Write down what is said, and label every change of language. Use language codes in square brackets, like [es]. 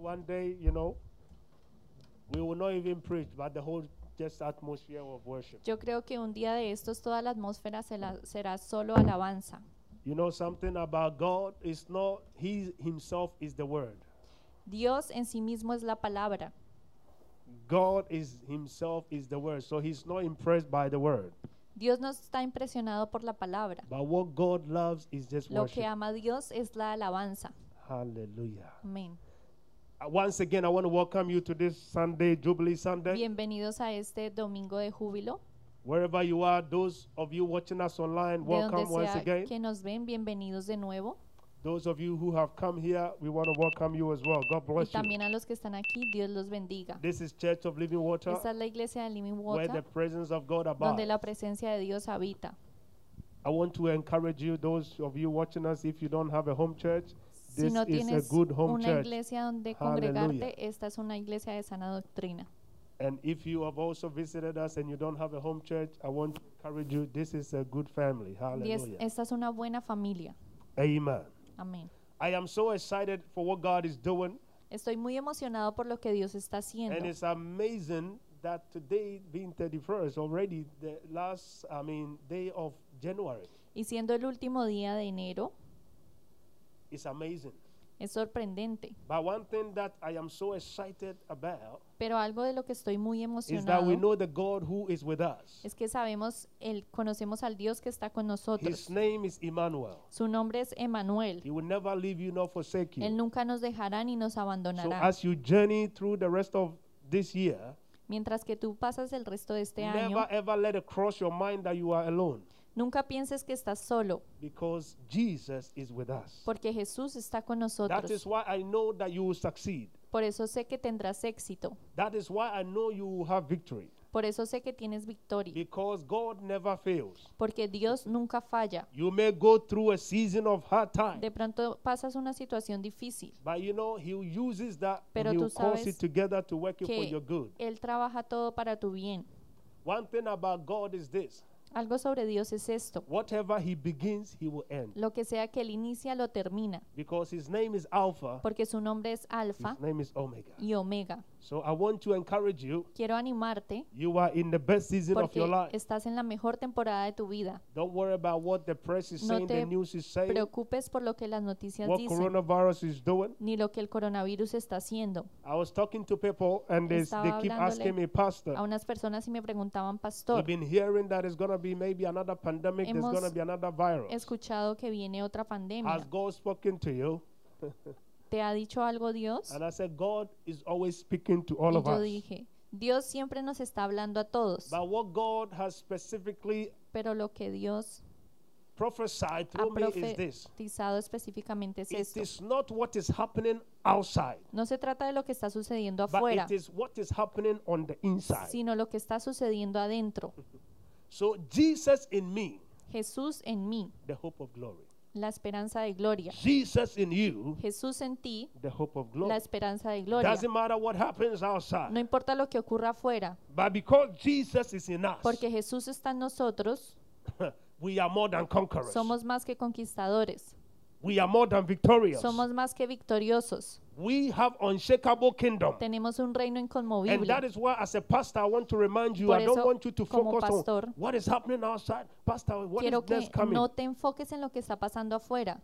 [en] One day, you know, we will not even preach, but the whole just atmosphere of worship. [es] Yo creo que un día de estos toda la atmósfera será solo alabanza. [en] You know something about God? It's not He Himself is the Word. [es] Dios en sí mismo es la palabra. [en] God is Himself is the Word, so He's not impressed by the Word. [es] Dios no está impresionado por la palabra. [en] But what God loves is just [es] worship. Lo que ama Dios es la alabanza. Hallelujah. Amen. [en] Once again, I want to welcome you to this Sunday, Jubilee Sunday. [es] Bienvenidos a este domingo de júbilo. [en] Wherever you are, those of you watching us online, welcome once again. [es] Que nos ven, bienvenidos de nuevo. [en] Those of you who have come here, we want to welcome you as well. God bless [es] y también [en] you. [es] A los que están aquí, Dios los bendiga. [en] This is Church of Living Water. [es] Esta es la iglesia de Living Water. [en] Where the presence of God abides. [es] Donde la presencia de Dios habita. [en] I want to encourage you, those of you watching us, if you don't have a home church, this [es] si no [en] is a good home [es] una [en] church. [es] Iglesia donde congregarte, esta es una iglesia de sana doctrina. [en] And if you have also visited us and you don't have a home church, I want to encourage you, this is a good family. Hallelujah. [es] Esta es una buena familia. Amen. Amen. [en] I am so excited for what God is doing. [es] Estoy muy emocionado por lo que Dios está haciendo. [en] And it's amazing that today being 31st already, the last, day of January. [es] Y siendo el último día de enero. [en] It's amazing. [es] Es sorprendente. [en] But one thing that I am so excited about. [es] Pero algo de lo que estoy muy emocionado. [en] Is that we know the God who is with us. [es] Es que sabemos el conocemos al Dios que está con nosotros. [en] His name is Emmanuel. [es] Su nombre es Emmanuel. [en] He will never leave you nor forsake you. [es] Él nunca nos dejará ni nos abandonará. [en] So as you journey through the rest of this year. [es] Mientras que tú pasas el resto de este [en] never [es] año. [en] Never ever let it cross your mind that you are alone. [es] Nunca pienses que estás solo. [en] Because Jesus is with us. [es] Porque Jesús está con nosotros. [en] That is why I know that you will succeed. [es] Por eso sé que tendrás éxito. [en] That is why I know you will have victory. [es] Por eso sé que tienes victoria. [en] Because God never fails. [es] Porque Dios nunca falla. [en] You may go through a season of hard time. [es] De pronto pasas una situación difícil. [en] But you know he uses that. [es] Pero [en] and he'll cause it together to work for your good. [es] Él trabaja todo para tu bien. [en] One thing about God is this. [es] Algo sobre Dios es esto. [en] Whatever he begins, he will end. [es] Lo que sea que él inicia, lo termina. [en] Because his name is Alpha. [es] Porque su nombre es Alpha. [en] His name is Omega. [es] Y Omega. [en] So I want to encourage you. [es] Quiero animarte. [en] You are in the best season of your life. [es] Porque estás en la mejor temporada de tu vida. [en] Don't worry about what the press is saying, the news is saying. [es] No te preocupes por lo que las noticias dicen. [en] What coronavirus is doing. [es] Ni lo que el coronavirus está haciendo. [en] I was talking to people and they keep asking me, Pastor. [es] A unas personas y me preguntaban, Pastor. [en] We've been hearing that it's going to be maybe another pandemic. There's going to be another virus. [es] Hemos escuchado que viene otra pandemia. [en] Has God spoken to you? [es] ¿Te ha dicho algo Dios? [en] And I said, God is always speaking to all [es] y [en] of [es] yo [en] us. [es] Dije, Dios siempre nos está hablando a todos. [en] But what God has specifically [es] pero lo que Dios [en] prophesied through me is this. [es] Profetizado específicamente es [en] it [es] esto. [en] Is not what is happening outside. [es] No se trata de lo que está sucediendo afuera. [en] But it is what is happening on the inside. [es] Sino lo que está sucediendo adentro. [en] So Jesus in me. [es] Jesús en mí. [en] The hope of glory. [es] La esperanza de gloria. [en] Jesus in you, [es] Jesús en ti. [en] The hope of glory. [es] La esperanza de gloria. [en] Doesn't matter what happens outside. [es] No importa lo que ocurra afuera. [en] But because Jesus is in us. [es] Porque Jesús está en nosotros. [en] We are more than conquerors. [es] Somos más que conquistadores. [en] We are more than victorious. [es] Somos más que victoriosos. [en] We have unshakable kingdom. [es] Tenemos un reino inconmovible. [en] And that is why as a pastor I want to remind you, [es] por [en] I don't want you to focus [es] pastor, [en] on what is happening outside. Pastor, what [es] quiero [en] is [es] que [en] coming? [es] No te enfoques en lo que está pasando afuera.